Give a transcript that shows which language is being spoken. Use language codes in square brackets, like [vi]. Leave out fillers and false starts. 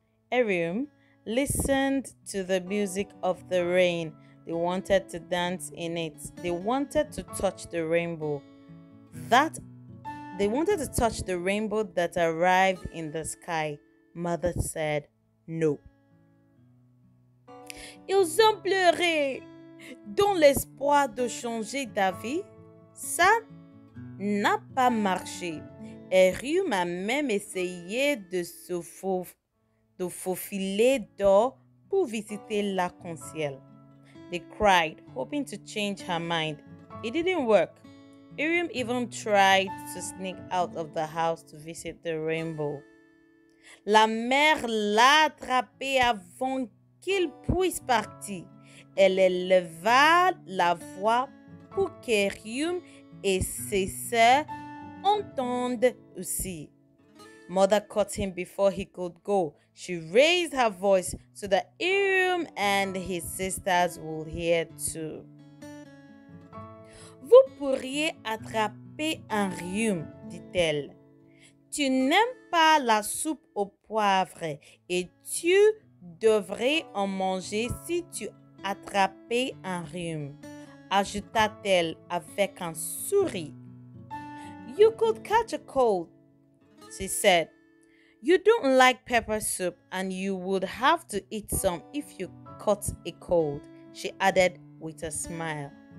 [en] Erim listened to the music of the rain. They wanted to dance in it. They wanted to touch the rainbow. They wanted to touch the rainbow that arrived in the sky. Mother said no. [fr] Ils ont pleuré dans l'espoir de changer d'avis. Ça n'a pas marché. Erim a même essayé de faufiler d'or pour visiter l'arc-en-ciel. [en] They cried, hoping to change her mind. It didn't work. Erim even tried to sneak out of the house to visit the rainbow. [fr] La mère l'a attrapé avant qu'il puisse partir. Elle éleva la voix pour qu'Erium et ses sœurs entendent aussi. [en] Mother caught him before he could go. She raised her voice so that Erium and his sisters will hear too. [fr] Vous pourriez attraper un rhume, dit-elle. Tu n'aimes pas la soupe au poivre et tu devrais en manger si tu attrapais un rhume, ajouta-t-elle avec un sourire. [en] You could catch a cold, she said. You don't like pepper soup and you would have to eat some if you caught a cold, she added with a smile.